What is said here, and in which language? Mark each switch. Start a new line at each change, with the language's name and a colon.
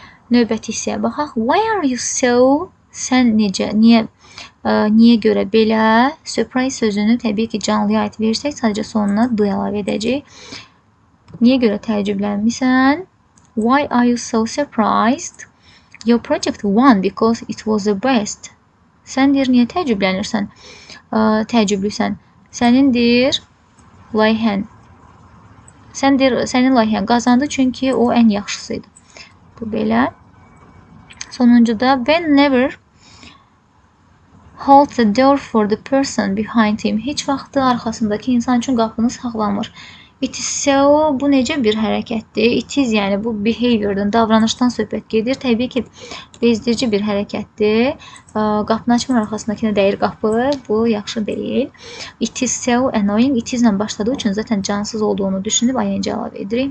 Azerbaijani: Növbəti hissəyə baxaq.
English: Why are you so?
Azerbaijani: Sən necə? Niyə görə belə? Surprise sözünü təbii ki, canlıya aid versək, sadəcə sonuna d əlavə edəcək. Niyə görə təəccüblənmisən?
English: Why are you so surprised? Your project won because it was the best.
Azerbaijani: Səndir, niyə təəccüblənirsən? Təəccüblüsən. Sənindir layihən. Səndir, sənin layihən qazandı, çünki o ən yaxşısıydı. Bu belə.
English: Sonuncuda, Ben never holds the door for the person behind him.
Azerbaijani: Heç vaxtı arxasındakı insan üçün qapını saxlamır.
English: It is so,
Azerbaijani: bu necə bir hərəkətdir?
English: It is,
Azerbaijani: yəni bu behaviordan, davranışdan söhbət gedir. Təbii ki, bezdirici bir hərəkətdir. Qapını açmanın arxasındakinə dəyir qapı. Bu, yaxşı deyil.
English: It is so annoying.
Azerbaijani: It is ilə başladığı üçün zətən cansız olduğunu düşünüb ing əlavə edirik.